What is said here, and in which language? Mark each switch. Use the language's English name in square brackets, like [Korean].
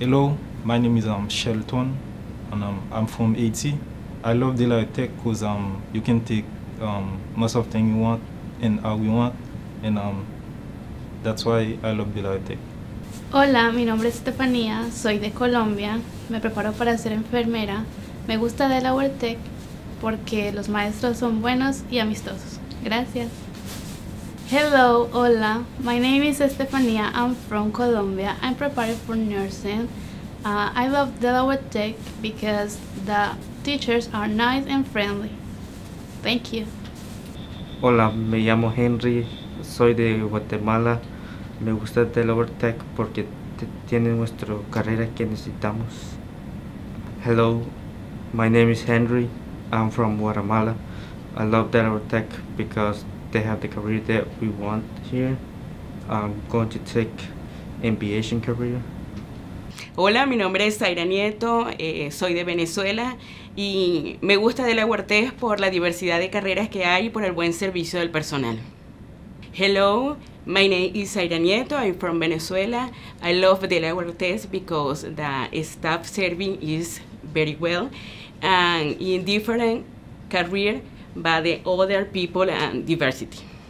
[English] Hello, my name is Shelton, and I'm from Haiti. I love Delaware Tech because you can take most of the things you want and how you want, and that's why I love Delaware Tech. [Spanish] Hola, mi nombre es Estefanía, soy de Colombia, me preparo para ser enfermera. Me gusta Delaware Tech porque los maestros son buenos y amistosos. Gracias. [English] Hello, hola, my name is Estefanía, I'm from Colombia, I'm preparing for nursing. I love Delaware Tech because the teachers are nice and friendly. Thank you. [Spanish] Hola, me llamo Henry, soy de Guatemala. Me gusta Delaware Tech porque tiene nuestra carrera que necesitamos. [English] Hello, my name is Henry. I'm from Guatemala. I love Delaware Tech because they have the career that we want here. I'm going to take aviation career. [Spanish] Hola, mi nombre es Zaira Nieto, soy de Venezuela y me gusta Delaware Tech por la diversidad de carreras que hay y por el buen servicio del personal. [English] Hello, my name is Zaira Nieto, I'm from Venezuela. I love Delaware Tech because the staff serving is very well and in different career by the other people and diversity.